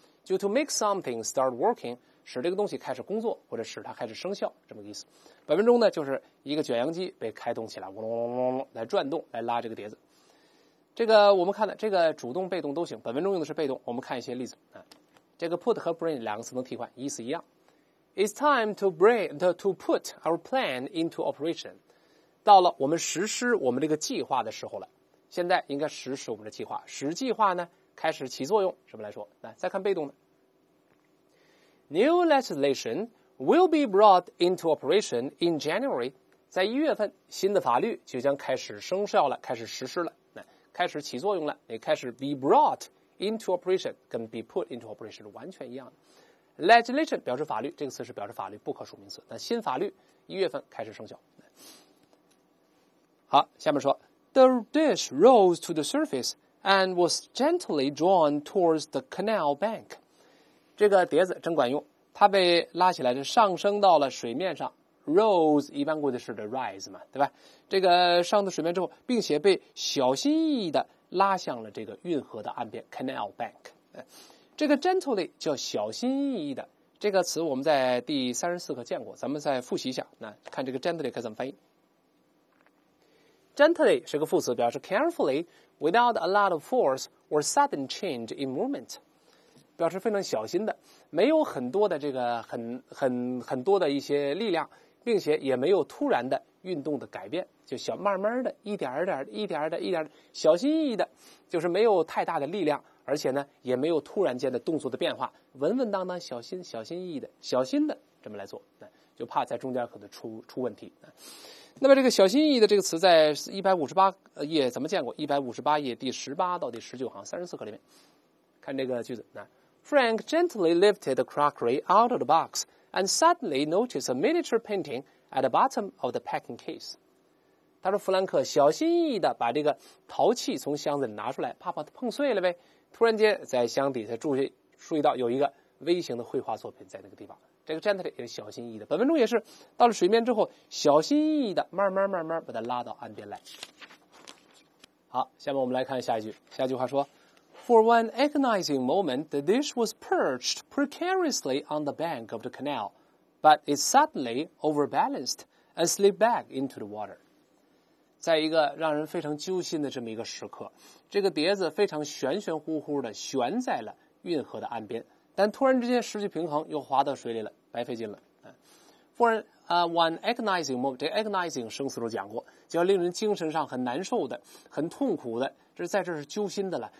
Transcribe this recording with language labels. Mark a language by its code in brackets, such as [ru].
[zh] 就 [en] to make something start working， [zh] 使这个东西开始工作，或者使它开始生效，这么个意思。本文中呢，就是一个卷扬机被开动起来，嗡嗡嗡嗡来转动，来拉这个碟子。这个我们看的，这个主动、被动都行。本文中用的是被动，我们看一些例子啊。这个 put 和 bring 两个词能替换，意思一样。 [en] It's time to bring to put our plan into operation。 [zh] 到了我们实施我们这个计划的时候了，现在应该实施我们的计划。使计划呢？开始起作用，什么来说？来，再看被动的。 [en] New legislation will be brought into operation in January， [zh] 在一月份，新的法律就将开始生效了，开始实施了，来，开始起作用了，也开始 [en] be brought into operation， [zh] 跟 [en] be put into operation [zh] 完全一样的。 Legislation 表示法律，这个词是表示法律，不可数名词。那新法律一月份开始生效。好，下面说 [en] ，The dish rose to the surface。 And was gently drawn towards the canal bank. [zh] 这个碟子真管用，它被拉起来，是上升到了水面上。 Rose 一般过去式的 rise 嘛，对吧？这个上到水面之后，并且被小心翼翼的拉向了这个运河的岸边 canal bank。这个 gently 叫小心翼翼的，这个词我们在第34课见过，咱们再复习一下。那看这个 gently 该怎么翻译。Gently 是个副词，表示 [en] carefully without a lot of force or sudden change in movement， [zh] 表示非常小心的，没有很多的这个很多的一些力量，并且也没有突然的运动的改变，就小慢慢的一点一点一点的一点小心翼翼的，就是没有太大的力量而且呢也没有突然间的动作的变化，稳稳当当，小心小心翼翼的，小心的这么来做，就怕在中间可能出问题。那么这个小心翼翼的这个词在158页怎么见过？ 158页第18到第19行34课里面，看这个句子。 [en] Frank gently lifted the crockery out of the box and suddenly noticed a miniature painting at the bottom of the packing case. [zh] 他说弗兰克小心翼翼地把这个陶器从箱子里拿出来，怕它碰碎了呗。突然间在箱底下注意到有一个微型的绘画作品在那个地方。这个 gently 也是小心翼翼的，本文中也是到了水面之后小心翼翼的慢慢慢慢把它拉到岸边来。好，下面我们来看下一句。下一句话说， [en] For one agonizing moment the dish was perched precariously on the bank of the canal but it suddenly overbalanced and slipped back into the water。 [zh] 在一个让人非常揪心的这么一个时刻，这个碟子非常悬悬乎乎的悬在了运河的岸边，但突然之间失去平衡，又滑到水里了，白费劲了。 [en] One agonizing moment， [zh] 这 agonizing 生死都讲过，叫令人精神上很难受的，很痛苦的，这在这是揪心的了。